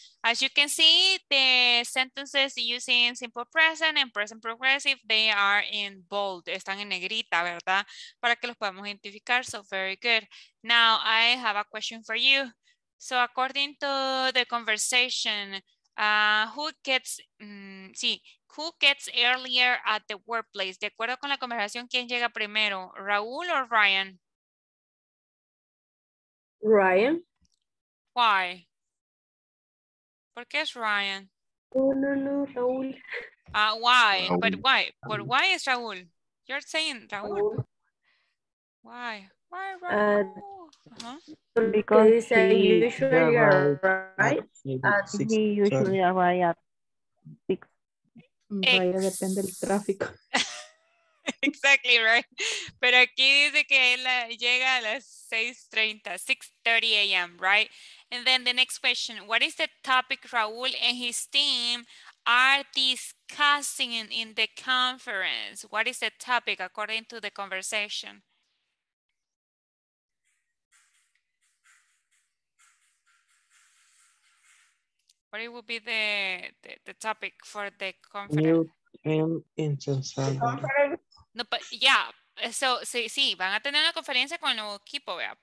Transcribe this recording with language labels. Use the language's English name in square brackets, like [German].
[English] As you can see, the sentences using simple present and present progressive, they are in bold. [Spanish] Están en negrita, ¿verdad? Para que los podamos identificar. [English] So very good. Now I have a question for you. So according to the conversation, who gets earlier at the workplace? [Spanish] De acuerdo con la conversación, ¿quién llega primero? ¿Raúl o Ryan? Ryan. [English] Why? [Spanish] ¿Por qué es Ryan? No, Raúl. [English] Why? Raúl. But why? But why is Raúl? You're saying Raúl. Why? Why Raúl? Because he usually arrives at 6:30. Exactly right. [Spanish] Pero aquí dice que él llega a las 6:30 a.m., right? [English] And then the next question, what is the topic Raúl and his team are discussing in the conference? What is the topic according to the conversation? What would be the topic for the conference? New team in San Salvador. No, but yeah. [Spanish] So, sí, van a tener una conferencia con el nuevo equipo, ¿verdad?